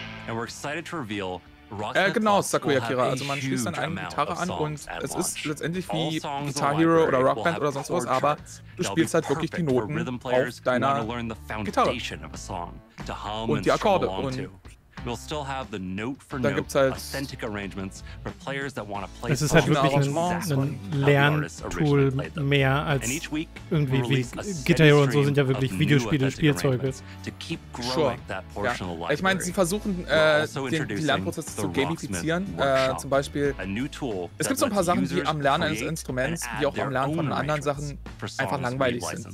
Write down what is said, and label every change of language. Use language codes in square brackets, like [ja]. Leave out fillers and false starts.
[de] Und wir sind excited, Sakura Kira, also man schließt dann eine Gitarre an und es ist letztendlich wie Guitar Hero oder Rock Band oder sonst was, aber du spielst halt wirklich die Noten auf deiner Gitarre und die Akkorde und [en] We'll still have the note for [de] note halt [en] authentic arrangements for players that want to play. [de] Es ist halt wirklich ein Lerntool mehr als irgendwie wie Guitar Hero und so sind ja wirklich Videospiele Spielzeuge. Sure. Ja. Ich meine, sie versuchen den Lernprozess zu gamifizieren, zum Beispiel. Es gibt so ein paar Sachen, die am Lernen eines Instruments, wie auch am Lernen von anderen Sachen, einfach langweilig sind.